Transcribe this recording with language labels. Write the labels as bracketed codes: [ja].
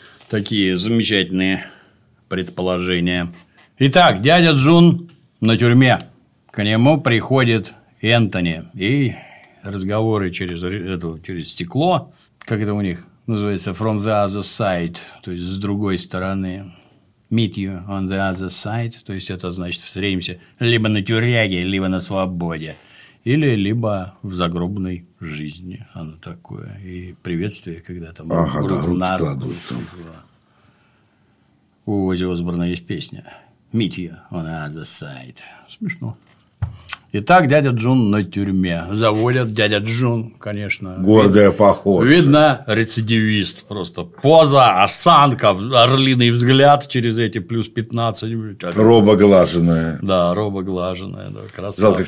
[ru] Такие замечательные предположения. Итак, дядя Джун на тюрьме. К нему приходит Энтони. И разговоры через стекло, как это у них называется, [en] from the other side, [ru] то есть с другой стороны. [en] Meet you on the other side. [ru] То есть это значит встретимся либо на тюряге, либо на свободе. Или либо в загробной жизни. Оно такое. И приветствие, когда там руку на руку сложила. У Ози Осборна есть песня «Meet you on the other side». Смешно. Итак, дядя Джун на тюрьме. Заводят дядя Джун, конечно. Гордая походка. Видно, рецидивист. Просто поза, осанка, орлиный взгляд через эти плюс 15. Роба глаженная. Да, роба глаженная. Да, красавчик.